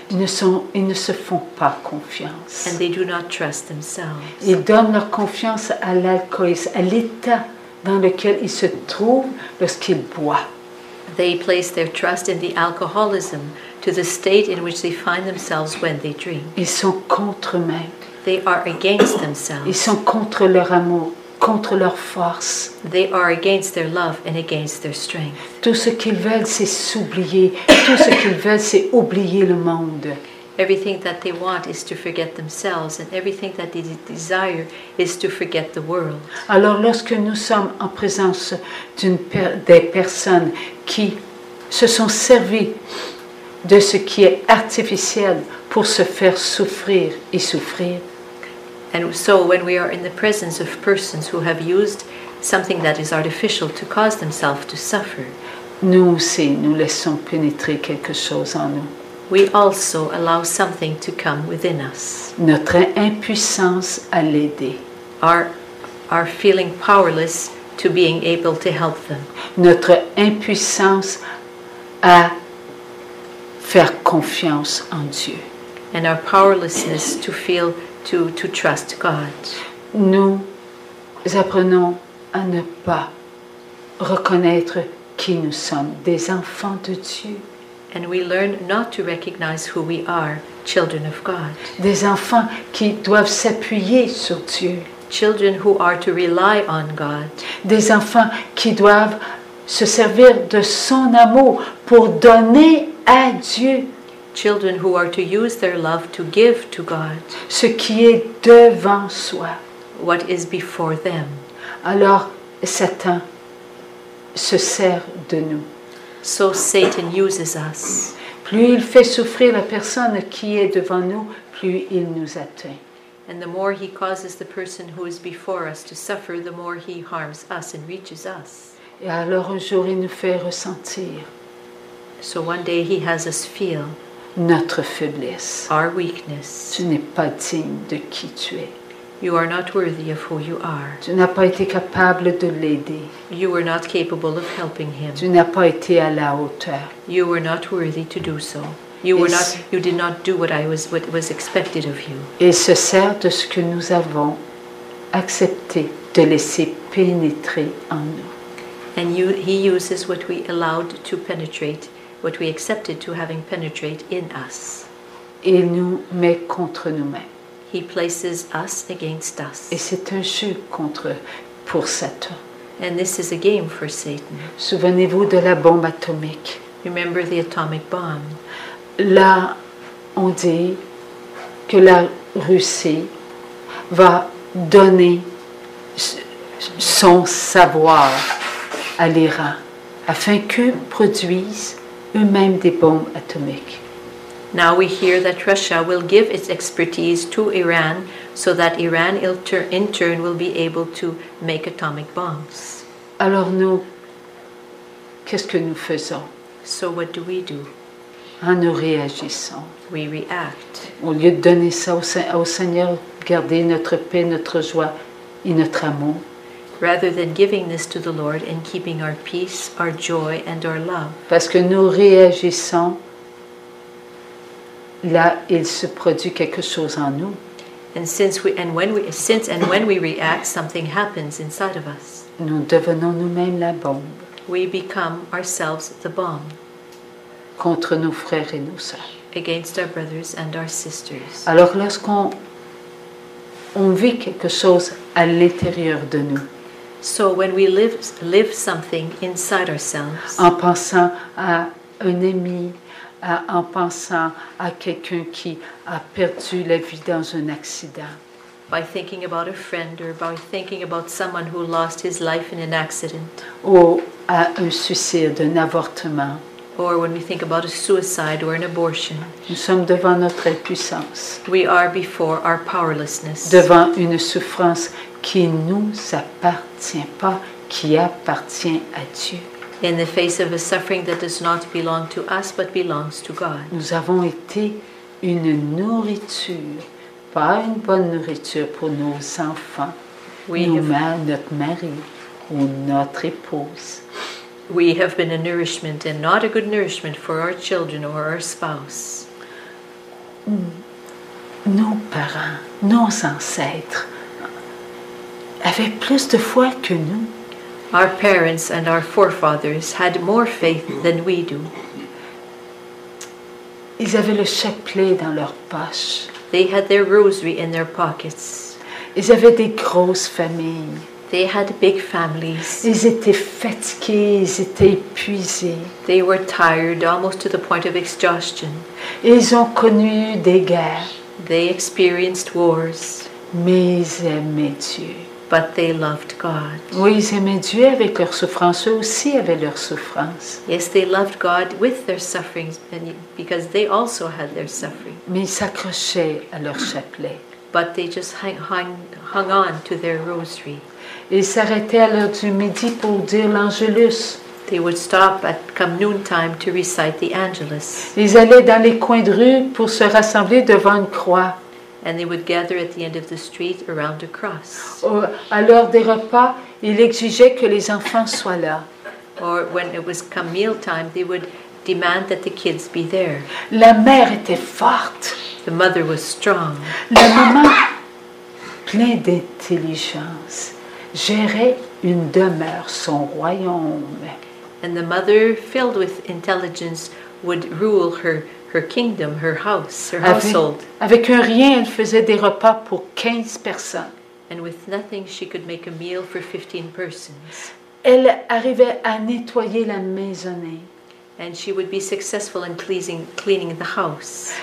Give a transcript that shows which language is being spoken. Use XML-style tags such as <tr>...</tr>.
<fr>Ils ne se font pas confiance.</fr> <en>And they do not trust themselves.</en> <fr>Ils donnent leur confiance à l'alcoolisme, à l'état dans lequel ils se trouvent lorsqu'ils boivent.</fr> <en>They place their trust in the alcoholism, to the state in which they find themselves when they drink.</en> <fr>Ils sont contre eux-mêmes.</fr> <en>They are against themselves.</en> <fr>Ils sont contre leur amour, contre leur force.</fr> <en>They are against their love and against their strength.</en> <fr>Tout ce qu'ils veulent, c'est s'oublier. Tout ce qu'ils veulent, c'est oublier le monde.</fr> <en>Everything that they want is to forget themselves, and everything that they desire is to forget the world.</en> <fr>Alors, lorsque nous sommes en présence des personnes qui se sont servies de ce qui est artificiel pour se faire souffrir et souffrir.</fr> <en>And so, when we are in the presence of persons who have used something that is artificial to cause themselves to suffer,</en> <fr>nous aussi, nous laissons pénétrer quelque chose en nous.</fr> <en>We also allow something to come within us.</en> <fr>Notre impuissance à l'aider.</fr> <en>Our feeling powerless to being able to help them.</en> <fr>Notre impuissance à faire confiance en Dieu.</fr> <en>And our powerlessness to trust God.</en> <fr>Nous apprenons à ne pas reconnaître qui nous sommes, des enfants de Dieu.</fr> <en>And we learn not to recognize who we are, children of God.</en> <fr>Des enfants qui doivent s'appuyer sur Dieu.</fr> <en>Children who are to rely on God.</en> <fr>Des enfants qui doivent se servir de son amour pour donner à Dieu.</fr> <en>Children who are to use their love to give to God.</en> <fr>Ce qui est devant soi.</fr> <en>What is before them.</en> <fr>Alors, Satan se sert de nous.</fr> <en>So Satan uses us.</en> <fr>Plus il fait souffrir la personne qui est devant nous, plus il nous atteint.</fr> <en>And the more he causes the person who is before us to suffer, the more he harms us and reaches us.</en> <fr>Et alors un jour il nous fait ressentir.</fr> <en>So one day he has us feel</en> <fr>notre faiblesse.</fr> <en>Our weakness.</en> <fr>Tu n'es pas digne de qui tu es.</fr> <en>You are not worthy of who you are.</en> <fr>Tu n'as pas été capable de l'aider.</fr> <en>You were not capable of helping him.</en> <fr>Tu n'as pas été à la hauteur.</fr> <en>You were not worthy to do so. You did not do what was expected of you.</en> <fr>Et se sert de ce que nous avons accepté de laisser pénétrer en nous.</fr> <en>And he uses what we allowed to penetrate, what we accepted to having penetrate in us.</en> <fr>Et nous met contre nous-mêmes.</fr> <en>He places us against us.</en> <fr>Et c'est un jeu pour Satan.</fr> <en>And this is a game for Satan.</en> <fr>Souvenez-vous de la bombe atomique.</fr> <en>Remember the atomic bomb.</en> <fr>Là, on dit que la Russie va donner son savoir à l'Iran afin qu'eux produisent eux-mêmes des bombes atomiques.</fr> <en>Now we hear that Russia will give its expertise to Iran so that Iran in turn will be able to make atomic bombs.</en> <fr>Alors nous, qu'est-ce que nous faisons?</fr> <en>So what do we do?</en> <fr>En nous réagissant.</fr> <en>We react.</en> <fr>Au lieu de donner ça au Seigneur, garder notre paix, notre joie et notre amour.</fr> <en>Rather than giving this to the Lord and keeping our peace, our joy and our love.</en> <fr>Parce que nous réagissons, là, il se produit quelque chose en nous.</fr> <en>And when we react, something happens inside of us.</en> <fr>Nous devenons nous-mêmes la bombe.</fr> <en>We become ourselves the bomb.</en> <fr>Contre nos frères et nos sœurs.</fr> <en>Against our brothers and our sisters.</en> <fr>Alors lorsqu'on vit quelque chose à l'intérieur de nous.</fr> <en>So when we live something inside ourselves.</en> <fr>En pensant à un ami, en pensant à quelqu'un qui a perdu la vie dans un accident.</fr> <en>By thinking about a friend or by thinking about someone who lost his life in an accident.</en> <fr>Ou à un suicide, un avortement.</fr> <en>Or when we think about a suicide or an abortion.</en> <fr>Nous sommes devant notre impuissance.</fr> <en>We are before our powerlessness.</en> <fr>Devant une souffrance qui ne nous appartient pas, qui appartient à Dieu.</fr> <en>In the face of a suffering that does not belong to us but belongs to God.</en> <fr>Nous avons été une nourriture, pas une bonne nourriture pour nos enfants, notre mari ou notre épouse.</fr> <en>We have been a nourishment and not a good nourishment for our children or our spouse.</en> <fr>Nos parents, nos ancêtres avaient plus de foi que nous.</fr> <en>Our parents and our forefathers had more faith than we do.</en> <fr>Ils avaient le chapelet dans leur poche.</fr> <en>They had their rosary in their pockets.</en> <fr>Ils avaient des grosses familles.</fr> <en>They had big families.</en> <fr>Ils étaient fatigués, ils étaient épuisés.</fr> <en>They were tired, almost to the point of exhaustion.</en> <fr>Ils ont connu des guerres.</fr> <en>They experienced wars.</en> <fr>Mais ils aimaient Dieu.</fr> <en>But they loved God.</en> <fr>Oui, ils aimaient Dieu avec leurs souffrances. Eux aussi avaient leurs souffrances.</fr> <en>Yes, they loved God with their sufferings, because they also had their suffering.</en> <fr>Mais ils s'accrochaient à leur chapelet.</fr> <en>But they just hung on to their rosary.</en> <fr>Ils s'arrêtaient à l'heure du midi pour dire l'Angelus.</fr> <en>They would stop at come noontime to recite the Angelus.</en> <fr>Ils allaient dans les coins de rue pour se rassembler devant une croix.</fr> <en>And they would gather at the end of the street around a cross.</en> <fr>À l'heure des repas, il exigeait que les enfants soient là.</fr> <en>Or when it was come meal time, they would demand that the kids be there.</en> <fr>La mère était forte.</fr> <en>The mother was strong.</en> <fr>La maman, pleine d'intelligence, gérait une demeure, son royaume.</fr> <en>And the mother, filled with intelligence, would rule her kingdom, her house, her household.</en> <fr>Avec un rien, elle faisait des repas pour 15 personnes.</fr> <en>And with nothing, she could make a meal for 15 persons.</en> <fr>Elle arrivait à nettoyer la maisonnée.</fr> <en>And she would be successful in cleaning the house.</en>